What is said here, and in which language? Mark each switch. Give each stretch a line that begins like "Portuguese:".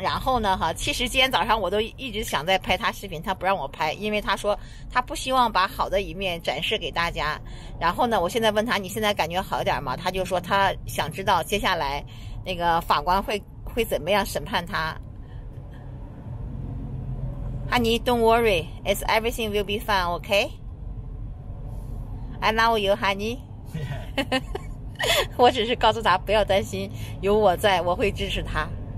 Chinese: 然后呢，哈，其实今天早上我都一直想在拍他视频，他不让我拍，因为他说他不希望把好的一面展示给大家。然后呢，我现在问他，你现在感觉好点吗？他就说他想知道接下来那个法官会怎么样审判他。
English: Honey, don't worry, it's everything will be fine, okay? I love you, honey.
Chinese: 我只是告诉他不要担心，有我在，我会支持他。